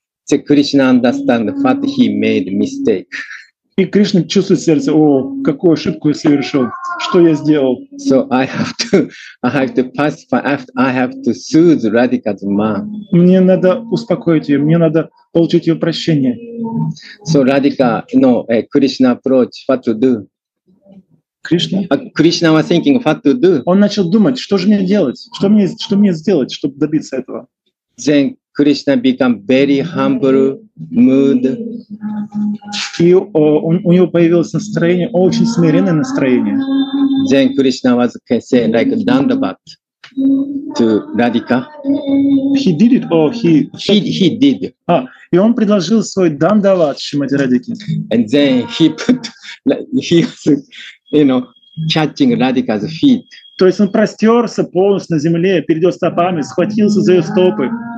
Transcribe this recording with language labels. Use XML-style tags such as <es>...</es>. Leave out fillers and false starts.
<en>So Krishna understand what he made mistake.</en> <ru>И Кришна чувствует в сердце, о, какую ошибку я совершил, что я сделал.</ru> <en>So I have to pacify, I have to soothe Radhika's mind.</en> <ru>Мне надо успокоить ее, мне надо получить ее прощение.</ru> <en>So Radhika, no, Krishna approach, what to do? Krishna? Krishna was thinking, what to do?</en> <ru>Он начал думать, что же мне делать, что мне сделать, чтобы добиться этого.</ru> <en>Then Krishna become very humble mood.</en> <ru>И у него появилось настроение, очень смиренное настроение.</ru> <en>Then Krishna was can say like dandavat to Radhika. He did it or he? He did.</en> <ru>А, и он предложил свой дандават Шримати Радике.</ru> <en>And then he put like, he was, you know, catching Radhika's feet.</en> <ru>То есть он простерся полностью на земле, перед ее стопами, схватился за ее стопы.</ru>